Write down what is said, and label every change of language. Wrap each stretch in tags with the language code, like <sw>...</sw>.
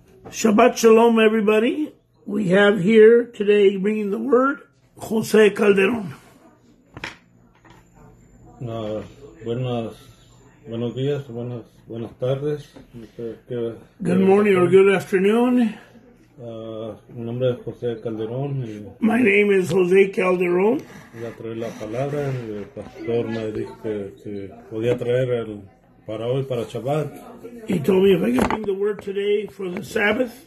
<en>Shabbat Shalom, everybody. We have here today bringing the word, Jose Calderon.</en> <es>Buenos días, buenas tardes.</es> <en>Good morning or good afternoon.</en> <es>Mi nombre es Jose Calderon.</es> <en>My name is Jose Calderon.</en> <es>Voy a traer la palabra. El pastor me dijo que podía traer el para hoy, para Shabbat.</es> <en>He told me if I can bring the word today for the Sabbath.</en>